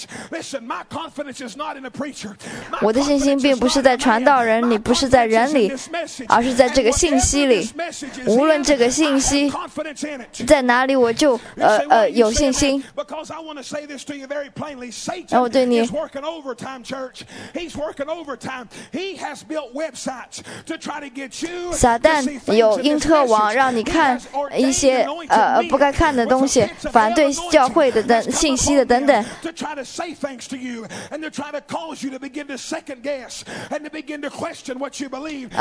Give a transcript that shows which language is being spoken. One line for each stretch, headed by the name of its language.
English: Listen, my confidence is not in a preacher.
Chinese: 我的信心并不是在传道人, 你不是在人里, 而是在这个信息里, 无论这个信息, 在哪里, 我就, 有信心。
English: Because I want to say this to you very plainly, Satan is working overtime, church. He's working overtime. He has built websites to try to get you.
Chinese: 撒旦有因特网, 让你看, 一些, 不该看的东西, 反对教会的信息的等等。
English: Say thanks to you, and they're trying to cause you to begin to second guess and to begin to question what you believe.